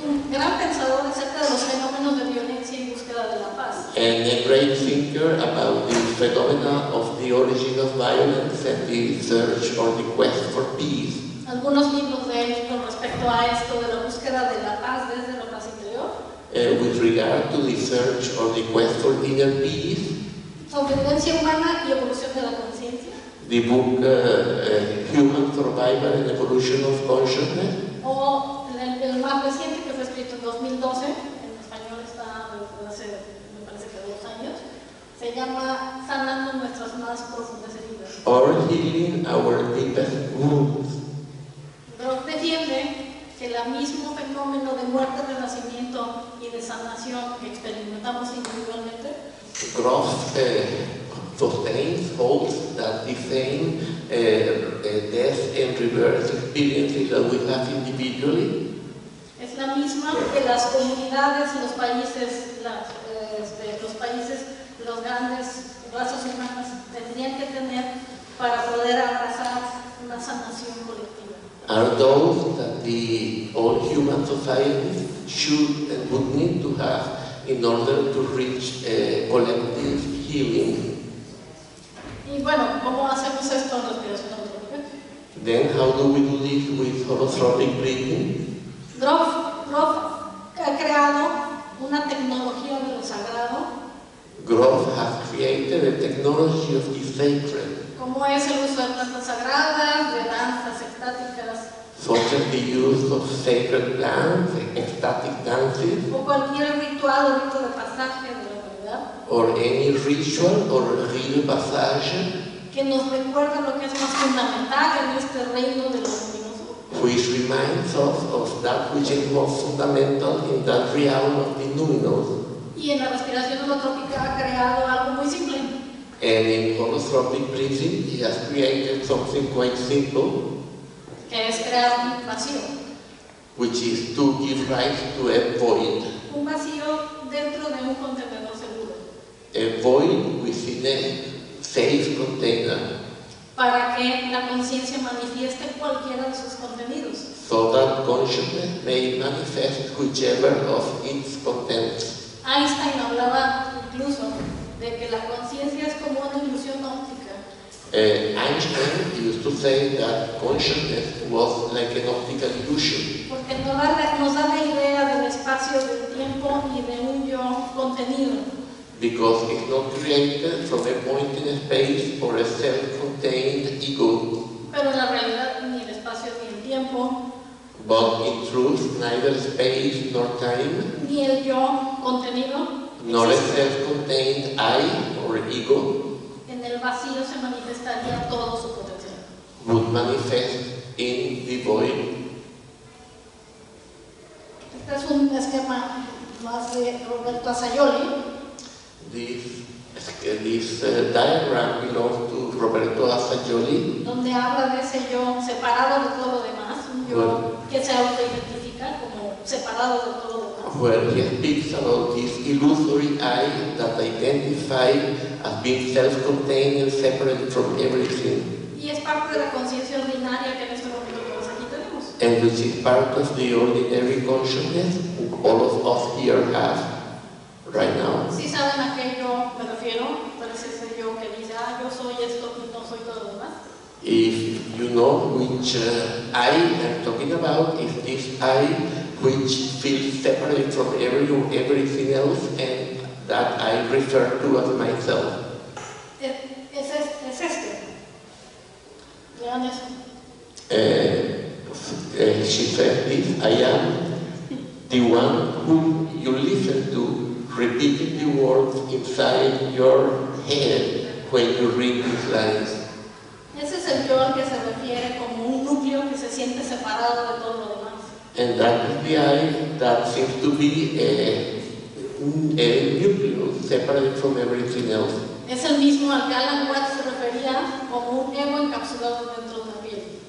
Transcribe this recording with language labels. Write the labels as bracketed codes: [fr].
[es] Gran pensador acerca de los fenómenos de violencia en búsqueda de la paz. [en] And a great thinker about the phenomena of the origin of violence and the search or the quest for peace. [es] Algunos libros de él con respecto a esto de la búsqueda de la paz desde la paz interior. [en] With regard to the search or the quest for inner peace. [es] Sobrevivencia humana y evolución de la conciencia. [en] The book Human Survival and Evolution of Consciousness. [es] O el más reciente que fue escrito en 2012, en español está hace, me parece que 2 años, se llama Sanando Nuestras Más Profundas Heridas. [en] Or Healing Our Deepest Wounds. [es] Groff defiende que el mismo fenómeno de muerte, de nacimiento y de sanación que experimentamos individualmente. [en] Groff sustains, holds that the same death and rebirth experiences that we have individually. [es] Es la misma que las comunidades, los países, los grandes brazos humanos tendrían que tener para poder abrazar una sanación colectiva. [en] Are those that the all human society should and would need to have in order to reach a collective healing? [es] Y bueno, ¿cómo hacemos esto en los videos? [en] Then how do we do this with holotropic breathing? [es] Grof ha creado una tecnología de lo sagrado. [en] Grof has created a technology of the sacred. [es] ¿Cómo es el uso de plantas sagradas, de danzas extáticas? [en] Such as the use of sacred plants, ecstatic dances. [es] O cualquier ritual o rito de pasaje de la humanidad. [en] Or any ritual or rite de pasaje. [es] Que nos recuerda lo que es más fundamental en este reino de lo luminoso. [en] Which reminds us of that which is most fundamental in that realm of the luminous. [es] Y en la respiración holotrópica ha creado algo muy simple. [en] And in holotropic breathing, he has created something quite simple. [es] Que es crear un vacío. [en] Which is to give rise to a void. [es] Un vacío dentro de un contenedor seguro. [en] A void within a safe container. [es] Para que la conciencia manifieste cualquiera de sus contenidos. [en] So that consciousness may manifest whichever of its contents. [es] Einstein hablaba incluso de que la conciencia es como una ilusión óptica. [en] Einstein used to say that consciousness was like an optical illusion. [es] Porque nos da la idea del espacio, del tiempo y de un yo contenido. [en] Because it's not created from a point in a space or a self-contained ego. [es] Pero en la realidad ni el espacio ni el tiempo. [en] But in truth, neither space nor time. [es] Ni el yo contenido. [en] Nor [es] existe. [en] A self-contained I or ego. [es] En el vacío se manifestaría todo su potencial. [en] Would manifest in the void. [es] Este es un esquema más de Roberto Azzaioli. [en] This diagram belongs to Roberto Azzaioli. [es] Donde habla de ese yo separado de todo lo demás, un yo que se autoidentifica como separado de todo lo demás. [en] Where he speaks about this illusory I that identifies as being self-contained and separate from everything. [es] Y es parte de la conciencia ordinaria que en este momento todos aquí tenemos. [en] And which is part of the ordinary consciousness all of us here have. Right now. [es] Si saben a qué yo me refiero, ¿cuál es ese yo que dice, yo soy esto y no soy todo lo demás? [en] If you know which I am talking about, if this I which feels separate from everything else and that I refer to as myself. [es] Es este. Vean eso. [en] She said this, I am the one whom you listen to. Repeating the words inside your head when you read these lines. [es] Ese es el yo al que se refiere como un núcleo que se siente separado de todo lo demás. [en] And that is the I that seems to be a nucleus separate from everything else. [es] Es el mismo al que Alan Watts se refería como un ego encapsulado dentro de la piel.